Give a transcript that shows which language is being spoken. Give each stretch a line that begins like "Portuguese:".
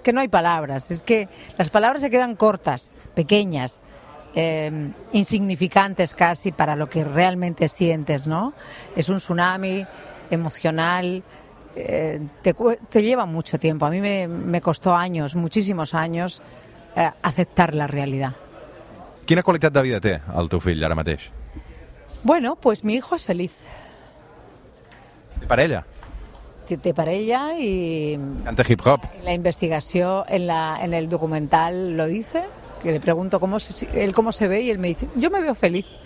Spanish: Es que no hay palabras, es que las palabras se quedan cortas, pequeñas, insignificantes casi para lo que realmente sientes, ¿no? Es un tsunami emocional. Te lleva mucho tiempo. A mí me costó años, muchísimos años, aceptar la realidad.
Catalan: ¿Quina qualitat de vida té el teu fill ara mateix?
Spanish: Bueno, pues mi hijo es feliz.
Catalan: ¿Té parella? Té parella y... Canta hip-hop.
Spanish: En la investigación, en el documental lo dice, que le pregunto cómo se ve y él me dice, yo me veo feliz.